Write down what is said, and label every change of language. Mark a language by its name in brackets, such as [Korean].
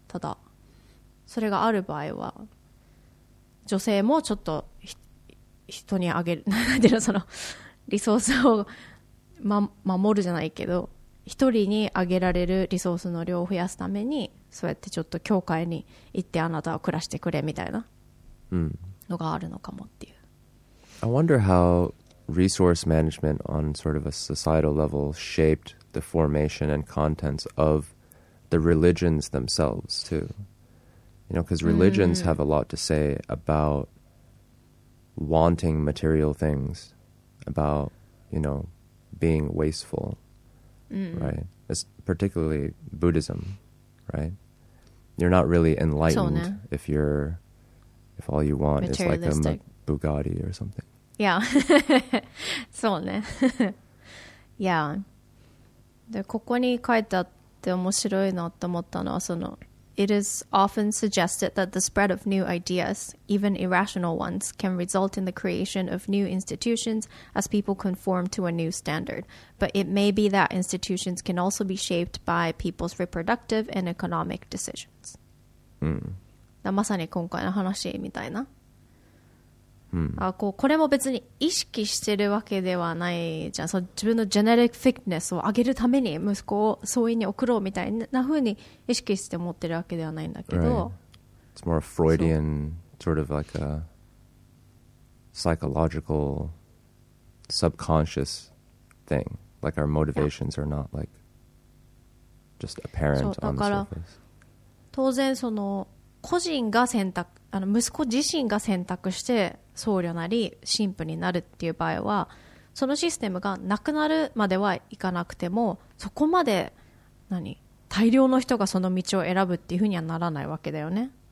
[Japanese] ただそれがある場合は女性もちょっと人にあげるなんていうの、そのリソースを、ま、守るじゃないけど、一人にあげられるリソースの量を増やすために、そうやってちょっと教会に行ってあなたを暮らしてくれみたいなのがあるのかもっていう、 [English] うん、I wonder how resource management on sort of a societal level shaped the formation and contents of the religions themselves too. You know, because religions、うん、have a lot to say about wanting material things, about, you know, being wasteful, right? It's particularly Buddhism, right? You're not really enlightened if you're, if all you want is like a Bugatti or something. Yeah. [Japanese] そうね。 [English] Yeah. [Japanese] で、ここに書いてあって面白いなと思ったのはその、 [English] It is often suggested that the spread of new ideas, even irrational ones, can result in the creation of new institutions as people conform to a new standard. But it may be that institutions can also be shaped by people's reproductive and economic decisions. Hmm. [Japanese] まさに今回の話みたいな。 Hmm. あ、こう、これも別に意識してるわけではないじゃん。そう、自分のジェネリックフィットネスを上げるために息子を総員に送ろうみたいな風に意識して持ってるわけではないんだけど。 [English] Right. It's more Freudian, sort of like a psychological subconscious thing. Like our motivations are not like just apparent on the surface. [Japanese] そう、だから当然その個人が選択、あの息子自身が選択して僧侶なり神父になるっていう場合はそのシステムがなくなるまではいかなくてもそこまで何大量の人がその道を選ぶっていうふうにはならないわけだよね、